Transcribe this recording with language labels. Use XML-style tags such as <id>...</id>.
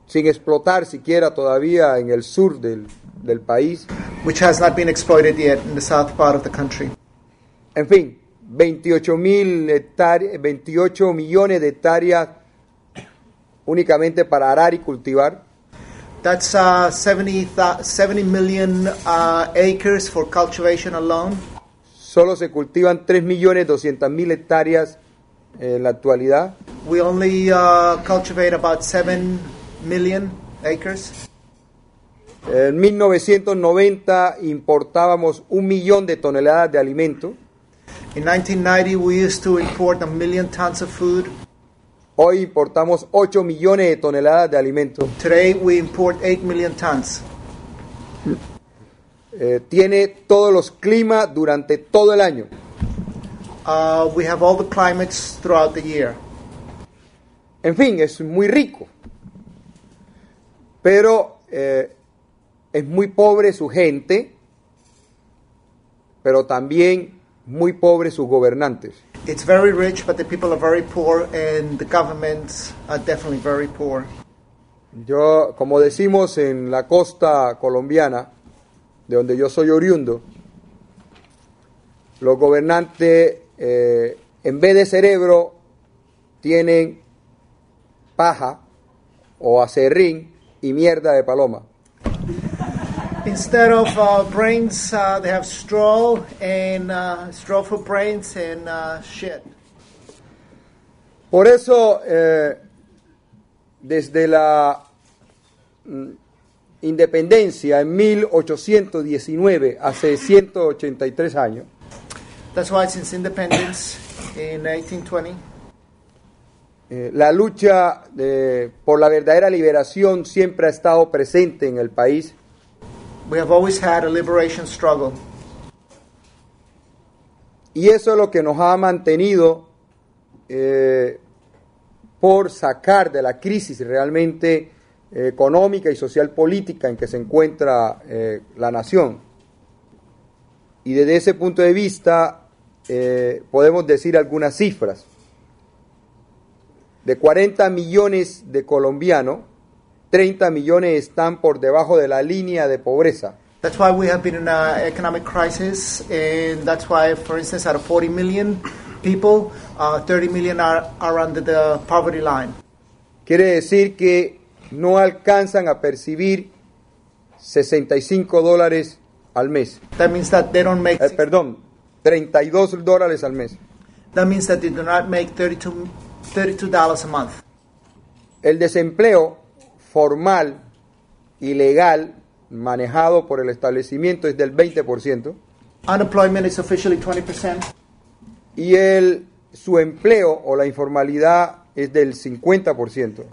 <es>Sin explotar siquiera todavía en el sur del país.</es> <en>Which has not been exploited yet in the south part of the country.</en> <es>En fin, 28 millones de hectáreas únicamente para arar y cultivar.</es> <en>That's 70 million acres for cultivation alone.</en> <es>Solo se cultivan 3,200,000 hectáreas en la actualidad.</es> <en>We only cultivate about 7 million acres.</en> <es>En 1990 importábamos 1,000,000 de toneladas de alimento.</es> <en>In 1990 we used to import 1,000,000 tons of food.</en> <es>Hoy importamos 8 millones de toneladas de alimento.</es> <en>Today we import 8 million tons.</en> <es>Tiene todos los climas durante todo el año.</es> <en>We have all the climates throughout the year.</en> <es>En fin, es muy rico. Pero es muy pobre su gente, pero también muy pobre sus gobernantes.</es> <en>It's very rich, but the people are very poor, and the governments are definitely very poor.</en> <es>Yo, como decimos en la costa colombiana, de donde yo soy oriundo, los gobernantes, en vez de cerebro, tienen paja o aserrín y mierda de paloma.</es> <en>Instead of brains, they have straw and straw for brains and shit.</en> <es>Por eso, desde la independencia en 1819, hace 183 años.</es> <en>That's why since independence in 1820.</en> <es>La lucha por la verdadera liberación siempre ha estado presente en el país.</es> <en>We have always had a liberation struggle.</en> <es>Y eso es lo que nos ha mantenido por sacar de la crisis realmente económica y social política en que se encuentra la nación. Y desde ese punto de vista podemos decir algunas cifras. De 40 millones de colombianos, 30 millones están por debajo de la línea de pobreza.</es> <en>That's why we have been in an economic crisis, and that's why, for instance, out of 40 million people, 30 million are under the poverty line.</en> <es>Quiere decir que no alcanzan a percibir $65 al mes.</es> <en>That means that they don't make...</en> <es>$32 al mes.</es> <en>That means that they do not make $32 a month.</en> <es>El desempleo formal, ilegal, manejado por el establecimiento es del 20%.</es> <en>Unemployment is officially 20%.</en> <es>Y el su empleo o la informalidad es del 50%.</es>